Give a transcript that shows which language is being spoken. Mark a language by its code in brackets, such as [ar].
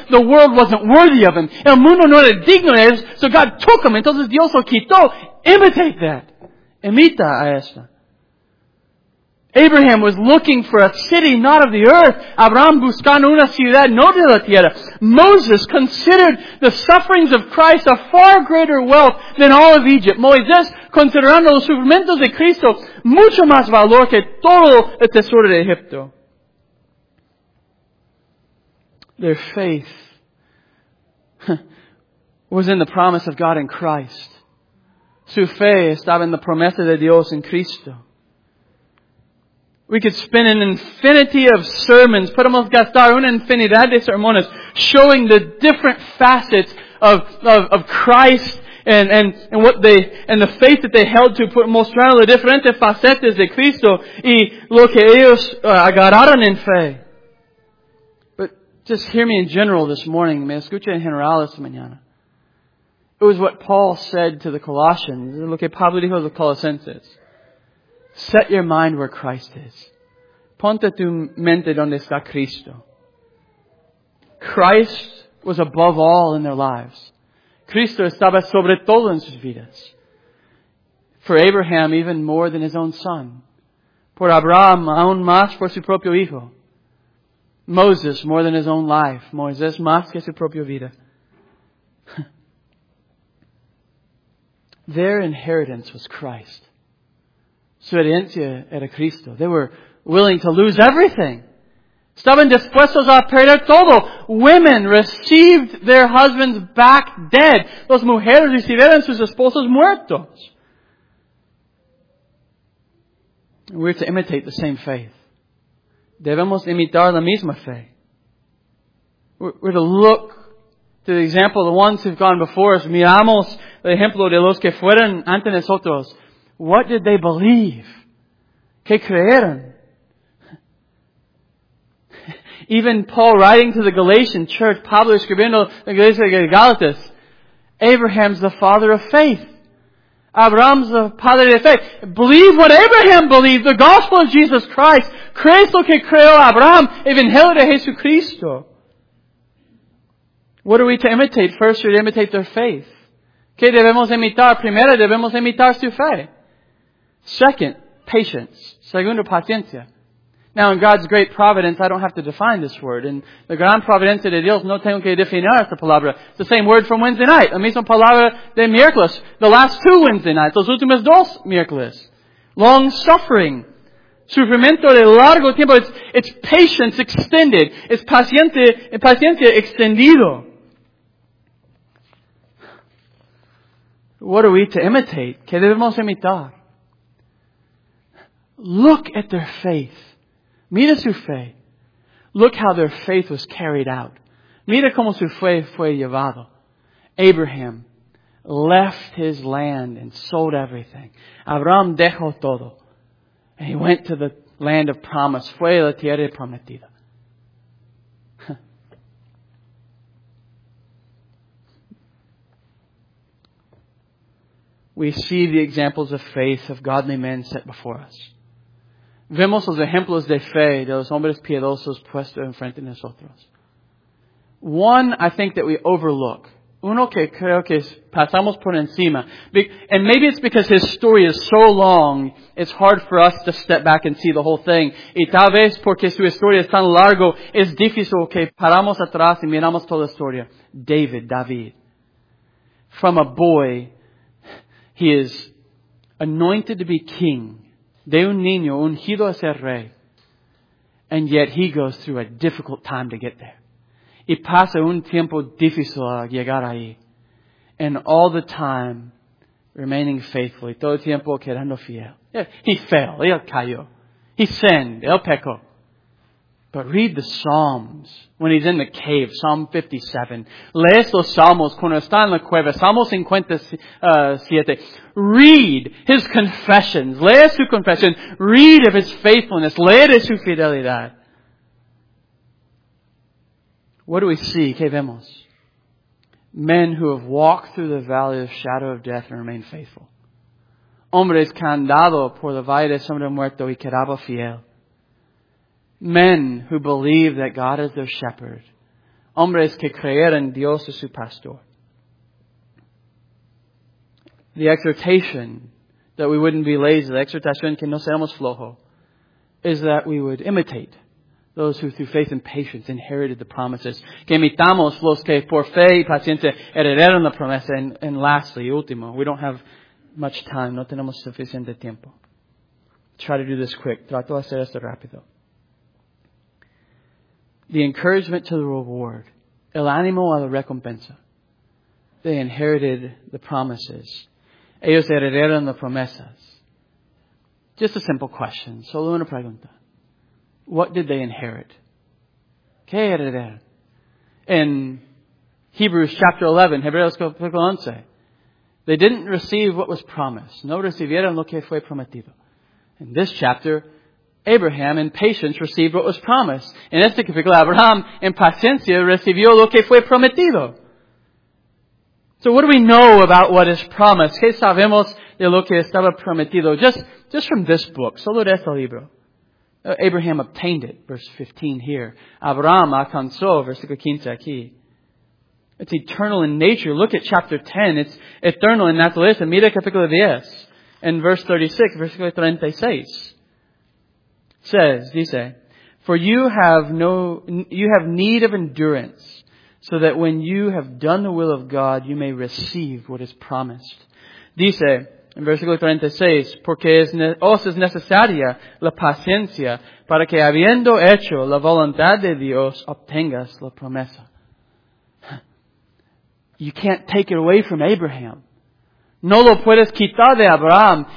[en] The world wasn't worthy of them. [es] El mundo no era digno de ellos. [en] So God took them. [es] Entonces Dios lo quitó. [en] Imitate that. [es] Imita a esta. [en] Abraham was looking for a city not of the earth. [es] Abraham buscando una ciudad no de la tierra. [en] Moses considered the sufferings of Christ a far greater wealth than all of Egypt. [es] Moisés considerando los sufrimientos de Cristo mucho más valor que todo el tesoro de Egipto. [en] Their faith was in the promise of God in Christ. [es] Su fe estaba en la promesa de Dios en Cristo. [en] We could spend an infinity of sermons, [es] podemos gastar una infinidad de sermones, [en] showing the different facets of Christ and the faith that they held to, [es] mostrando las diferentes facetas de Cristo y lo que ellos agarraron en fe. [en] But just hear me in general this morning, [es] me escucha en general esta mañana. [en] It was what Paul said to the Colossians, [es] lo que Pablo dijo a los Colosenses. [en] Set your mind where Christ is. [es] Ponte tu mente donde está Cristo. [en] Christ was above all in their lives. [es] Cristo estaba sobre todo en sus vidas. [en] For Abraham, even more than his own son. [es] Por Abraham, aún más por su propio hijo. [en] Moses, more than his own life. [es] Moisés, más que su propia vida. [en] Their inheritance was Christ. [es] Su herencia era Cristo. [en] They were willing to lose everything. [es] Estaban dispuestos a perder todo. [en] Women received their husbands back dead. [es] Las mujeres recibieron sus esposos muertos. [en] We're to imitate the same faith. [es] Debemos imitar la misma fe. [en] We're to look to the example of the ones who've gone before us. [es] Miramos el ejemplo de los que fueron ante nosotros. [en] What did they believe? [es] ¿Qué creyeron? [en] Even Paul writing to the Galatian church, [es] Pablo escribiendo la iglesia de Galatas, [en] Abraham's the father of faith. Abraham's the [es] padre de fe. [en] Believe what Abraham believed, the gospel of Jesus Christ. [es] ¿Crees lo que creó Abraham? Evangelio de Jesucristo. [en] What are we to imitate? First, we're to imitate their faith. [es] ¿Qué debemos imitar? Primero, debemos imitar su fe. [en] Second, patience. [es] Segundo, paciencia. [en] Now, in God's great providence, I don't have to define this word. In the [es] gran providencia de Dios, no tengo que definir esta palabra. [en] It's the same word from Wednesday night. [es] La misma palabra de miércoles. [en] The last two Wednesday nights. [es] Los últimos dos miércoles. [en] Long suffering. [es] Sufrimiento de largo tiempo. [en] It's patience extended. It's [es] paciencia extendido. [en] What are we to imitate? [es] ¿Qué debemos imitar? [en] Look at their faith. [es] Mira su fe. [en] Look how their faith was carried out. [es] Mira cómo su fe fue llevado. [en] Abraham left his land and sold everything. [es] Abraham dejó todo. [en] And he went to the land of promise. [es] Fue a la tierra prometida. [en] We see the examples of faith of godly men set before us. [es] Vemos los ejemplos de fe de los hombres piedosos puestos enfrente de nosotros. [en] One, I think that we overlook. [es] Uno que creo que pasamos por encima. [en] And maybe it's because his story is so long, it's hard for us to step back and see the whole thing. [es] Y tal vez porque su historia es tan largo, es difícil que paramos atrás y miramos toda la historia. [en] David. From a boy, he is anointed to be king. [es] De un niño, ungido a ser rey. [en] And yet he goes through a difficult time to get there. [es] Y pasa un tiempo difícil a llegar ahí. [en] And all the time, remaining faithful. [es] Y todo el tiempo quedando fiel. [en] He fell. [es] Él cayó. [en] He sinned. [es] Él pecó. [en] But read the Psalms when he's in the cave, Psalm 57. [es] Lees los Salmos cuando está en la cueva, Salmo 57. [en] Read his confessions. [es] Lee su confession. [en] Read of his faithfulness. [es] Lee de su fidelidad. [en] What do we see? [es] ¿Qué vemos? [en] Men who have walked through the valley of shadow of death and remained faithful. [es] Hombres que han dado por la valle de sombra muerto y quedaba fiel. [en] Men who believe that God is their shepherd. [es] Hombres que creer en Dios es su pastor. [en] The exhortation that we wouldn't be lazy, the exhortation [es] que no seamos flojo, [en] is that we would imitate those who through faith and patience inherited the promises. [es] Que imitamos los que por fe y paciencia heredaron la promesa. [en] And lastly, [es] último, [en] we don't have much time. [es] No tenemos suficiente tiempo. [en] Try to do this quick. [es] Trato hacer esto rápido. [en] The encouragement to the reward. [es] El ánimo a la recompensa. [en] They inherited the promises. [es] Ellos heredaron las promesas. [en] Just a simple question. [es] Solo una pregunta. [en] What did they inherit? [es] ¿Qué heredaron? [en] In Hebrews chapter 11, [es] Hebreos capítulo 11, [en] they didn't receive what was promised. [es] No recibieron lo que fue prometido. [en] In this chapter, Abraham, in patience, received what was promised. [es] En este capítulo, Abraham, en paciencia, recibió lo que fue prometido. [en] So what do we know about what is promised? [es] ¿Qué sabemos de lo que estaba prometido? [en] Just from this book, [es] solo de este libro. [en] Abraham obtained it, verse 15 here. [es] Abraham alcanzó, versículo 15 aquí. [en] It's eternal in nature. Look at chapter 10. It's eternal in naturaleza. [es] Mira capítulo 10, [en] and verse 36, [es] versículo 36. [en] Dice, for you have need of endurance, so that when you have done the will of God, you may receive what is promised. [es] Dice, en versículo 36, porque os es necesaria la paciencia, para que habiendo hecho la voluntad de Dios, obtengas la promesa. [en] You can't take it away from Abraham. [es] No lo puedes quitar de Abraham.